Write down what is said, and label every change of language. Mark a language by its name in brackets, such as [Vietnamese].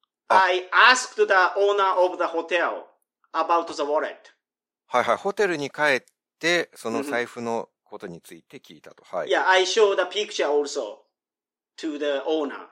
[English] I asked the owner of the hotel about the wallet. [Japanese] はいはい。ホテルに帰って、その財布のことについて聞いたと。はい。 [English] Yeah, I showed the picture also to the owner.